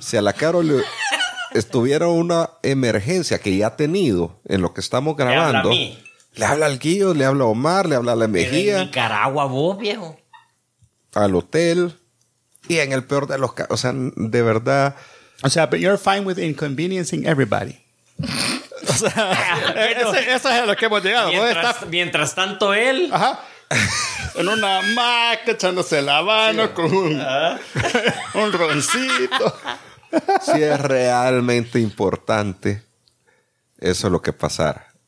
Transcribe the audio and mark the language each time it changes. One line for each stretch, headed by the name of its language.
Spanish: Si a la Caro le estuviera una emergencia que ya ha tenido en lo que estamos grabando. Le habla al Guío, le habla a Omar, le habla a la Mejía. En Nicaragua, vos, viejo. Al hotel. Y en el peor de los casos. O sea, de verdad. O sea,
English: but you're fine with inconveniencing everybody.
Spanish: O sea, eso es a lo que hemos llegado. Mientras tanto, él en una hamaca echándose la mano con un roncito. Si es realmente importante, eso es lo que pasara.